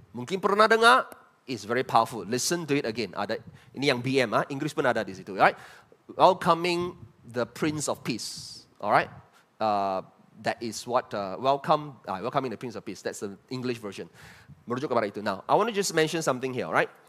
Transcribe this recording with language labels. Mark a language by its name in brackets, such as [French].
[Malay] Mungkin pernah dengar, [English] it's very powerful. Listen to it again. [Malay] Ada ini yang BM, Inggris pun ada di situ. [English] Right? Welcoming the Prince of Peace. Alright? That is what welcoming the Prince of Peace. That's the English version. [Malay] Merujuk kepada itu. [English] Now, I want to just mention something here, right?